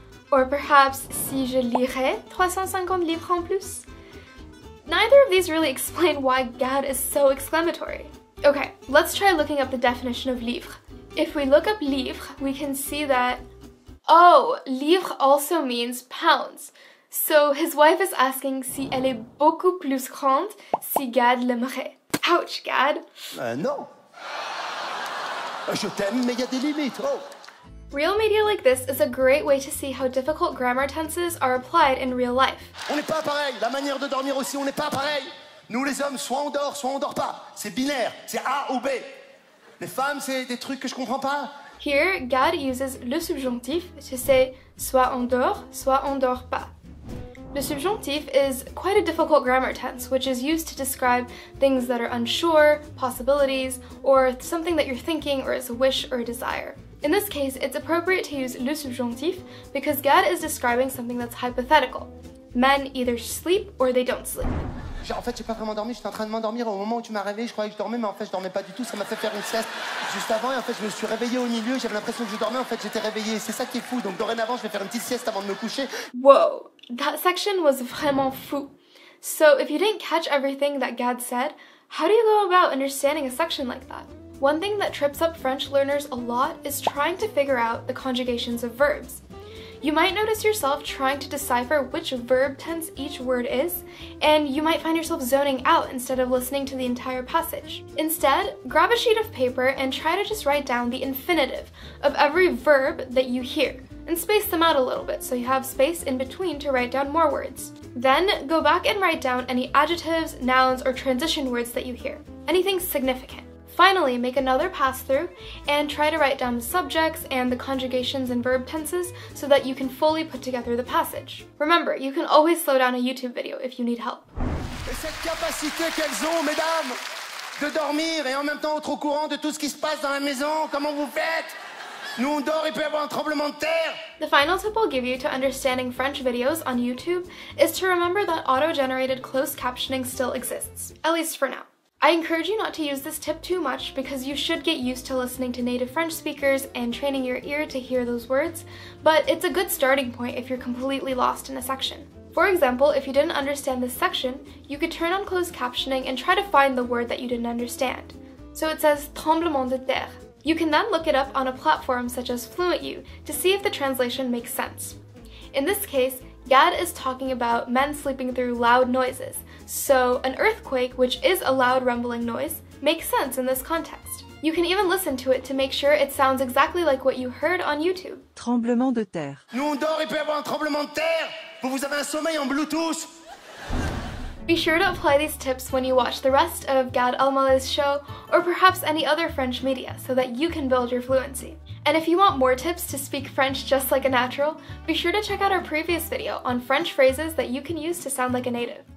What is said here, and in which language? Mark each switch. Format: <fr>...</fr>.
<en>Or perhaps,</en> <fr>si je lirais 350 livres en plus?</fr> <en>Neither of these really explain why Gad is so exclamatory. Okay, let's try looking up the definition of livre. If we look up livre, we can see that, oh, livre also means pounds. So his wife is asking</en> <fr>si elle est beaucoup plus grande si Gad l'aimerait.</fr> <en>Ouch, Gad.</en> <fr>Non. Je t'aime, mais y a des limites. Oh.</fr> <en>Real media like this is a great way to see how difficult grammar tenses are applied in real life.</en> <fr>On n'est pas pareil. La manière de dormir aussi, on n'est pas pareil. Nous les hommes, soit on dort pas. C'est binaire, c'est A ou B. Les femmes, c'est des trucs que je comprends pas.</fr> <en>Here, Gad uses le subjonctif to say</en> <fr>soit on dort, soit on dort pas.</fr> <en>Le subjonctif is quite a difficult grammar tense, which is used to describe things that are unsure, possibilities, or something that you're thinking or is a wish or a desire. In this case, it's appropriate to use le subjonctif because Gad is describing something that's hypothetical. Men either sleep or they don't sleep.</en> <fr>En fait, j'ai pas vraiment dormi, j'étais en train de m'endormir au moment où tu m'as réveillé, je croyais que je dormais, mais en fait, je dormais pas du tout, ça m'a fait faire une sieste juste avant, et en fait, je me suis réveillé au milieu, j'avais l'impression que je dormais, en fait, j'étais réveillé, c'est ça qui est fou, donc dorénavant, je vais faire une petite sieste avant de me coucher.</fr> <en>Wow, that section was</en> <fr>vraiment fou.</fr> <en>So, if you didn't catch everything that Gad said, how do you go about understanding a section like that? One thing that trips up French learners a lot is trying to figure out the conjugations of verbs. You might notice yourself trying to decipher which verb tense each word is, and you might find yourself zoning out instead of listening to the entire passage. Instead, grab a sheet of paper and try to just write down the infinitive of every verb that you hear, and space them out a little bit so you have space in between to write down more words. Then, go back and write down any adjectives, nouns, or transition words that you hear. Anything significant. Finally, make another pass through and try to write down the subjects and the conjugations and verb tenses so that you can fully put together the passage. Remember, you can always slow down a YouTube video if you need help.</en> <fr>Et cette capacité qu'elles ont, mesdames, de dormir et en même temps être au courant de tout ce qui se passe dans la maison, comment vous faites? Nous on dort, il peut y avoir un tremblement de terre.</fr> <en>The final tip I'll give you to understanding French videos on YouTube is to remember that auto-generated closed captioning still exists, at least for now. I encourage you not to use this tip too much because you should get used to listening to native French speakers and training your ear to hear those words, but it's a good starting point if you're completely lost in a section. For example, if you didn't understand this section, you could turn on closed captioning and try to find the word that you didn't understand. So it says tremblement de terre. You can then look it up on a platform such as FluentU to see if the translation makes sense. In this case, Yad is talking about men sleeping through loud noises, so an earthquake, which is a loud rumbling noise, makes sense in this context. You can even listen to it to make sure it sounds exactly like what you heard on YouTube.</en> <fr>Tremblement de terre. Nous on dort, il peut y avoir un tremblement de terre. Vous avez un sommeil en Bluetooth.</fr> <en>Be sure to apply these tips when you watch the rest of Gad Elmaleh's show or perhaps any other French media so that you can build your fluency. And if you want more tips to speak French just like a natural, be sure to check out our previous video on French phrases that you can use to sound like a native.</en>